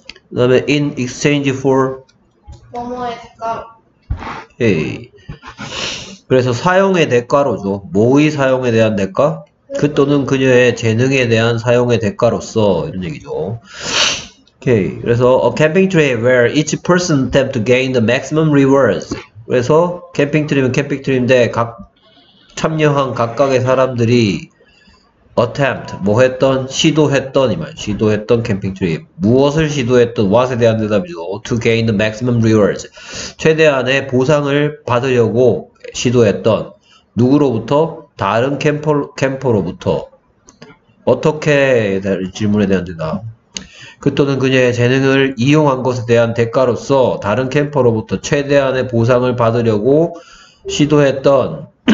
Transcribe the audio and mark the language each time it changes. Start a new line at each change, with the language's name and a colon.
English: 그다음에 in exchange for.
Korean: 뭐뭐의 색깔 오케이. 그래서 사용의 대가로죠. 뭐의 사용에 대한 대가? 그 또는 그녀의 재능에 대한 사용의 대가로서 이런 얘기죠. 오케이.
English: 그래서 a camping trip where each person attempt to gain the maximum rewards.
Korean: 그래서 캠핑 트립은 캠핑 트립인데 각 참여한 각각의 사람들이 attempt 뭐 했던 시도했던 이 말. 시도했던 캠핑 트립. 무엇을 시도했던 what에 대한 대답이죠.
English: To gain the maximum rewards.
Korean: 최대한의 보상을 받으려고 시도했던 누구로부터 다른 캠퍼로부터 어떻게 질문에 대한 대답 그 또는 그녀의 재능을 이용한 것에 대한 대가로서 다른 캠퍼로부터 최대한의 보상을 받으려고 시도했던